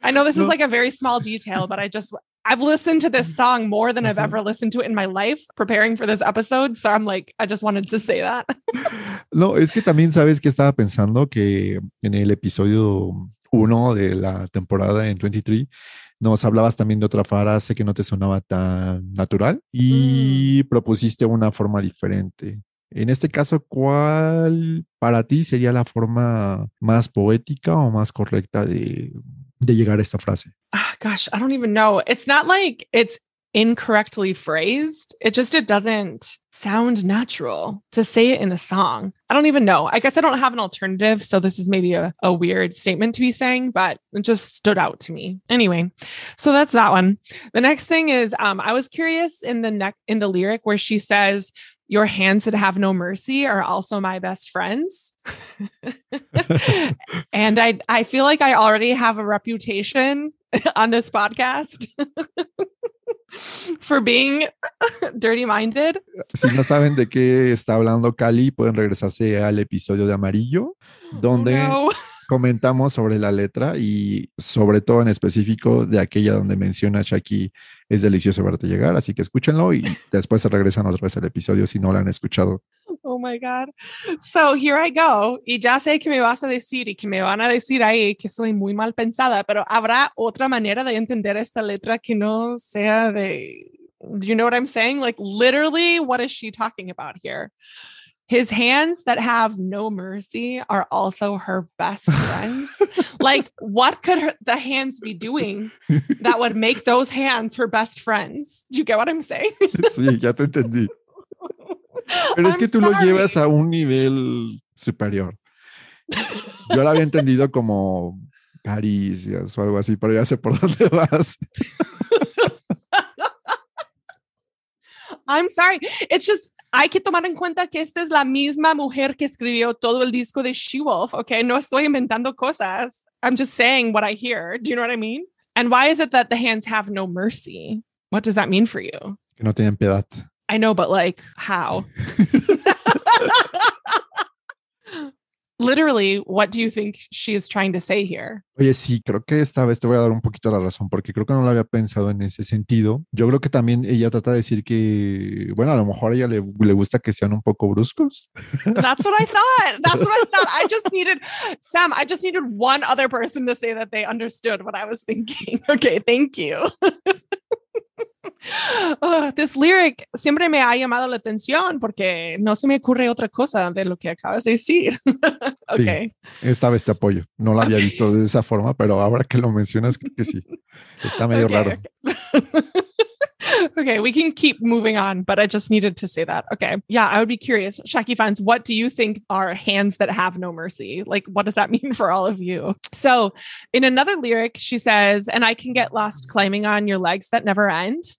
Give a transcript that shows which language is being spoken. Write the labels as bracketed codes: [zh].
[en] I know this is like a very small detail, but I've listened to this song more than I've ever listened to it in my life preparing for this episode. So I'm like, I just wanted to say that. [es] No, es que también sabes que estaba pensando que en el episodio 1 de la temporada en 23 nos hablabas también de otra frase que no te sonaba tan natural y propusiste una forma diferente. En este caso, ¿cuál para ti sería la forma más poética o más correcta de llegar a esta frase? [en] Gosh, I don't even know. It's not like it's incorrectly phrased. It doesn't sound natural to say it in a song. I don't even know. I guess I don't have an alternative. So this is maybe a weird statement to be saying, but it just stood out to me. Anyway, so that's that one. The next thing is, I was curious in the lyric where she says, "Your hands that have no mercy are also my best friends." And I feel like I already have a reputation on this podcast for being dirty minded. [es] Si no saben de qué está hablando Cali, pueden regresarse al episodio de Amarillo, donde comentamos sobre la letra y sobre todo en específico de aquella donde menciona Shaki, es delicioso verte llegar, así que escúchenlo y después se regresan otra vez al episodio si no lo han escuchado. [en] Oh my God. So here I go. [es] Y ya sé que me vas a decir y que me van a decir ahí que soy muy mal pensada, pero ¿habrá otra manera de entender esta letra que no sea de, [en] you know what I'm saying? Like literally, what is she talking about here? His hands that have no mercy are also her best friends. Like, what could the hands be doing that would make those hands her best friends? Do you get what I'm saying? [es] Sí, ya te entendí. Pero es que tú lo llevas a un nivel superior. Yo lo había entendido como caricias o algo así, pero ya sé por dónde vas. [en] I'm sorry. It's just, [es] hay que tomar en cuenta que esta es la misma mujer que escribió todo el disco de She-Wolf, okay? No estoy inventando cosas. [en] I'm just saying what I hear. Do you know what I mean? And why is it that the hands have no mercy? What does that mean for you? [es] Que no tienen piedad. [en] I know, but like, how? Literally, what do you think she is trying to say here? [es] Oye, sí, creo que esta vez te voy a dar un poquito la razón, porque creo que no lo había pensado en ese sentido. Yo creo que también ella trata de decir que, bueno, a lo mejor a ella le gusta que sean un poco bruscos. [en] That's what I thought. I just needed one other person to say that they understood what I was thinking. Okay, thank you. This lyric [es] siempre me ha llamado la atención porque no se me ocurre otra cosa de lo que acabas de decir. Okay. Sí, esta vez te apoyo. No la había visto de esa forma, pero ahora que lo mencionas, creo que sí. Está medio raro. [en] Okay, we can keep moving on, but I just needed to say that. Okay. Yeah, I would be curious. Shaki fans, what do you think are hands that have no mercy? Like, what does that mean for all of you? So in another lyric, she says, "And I can get lost climbing on your legs that never end.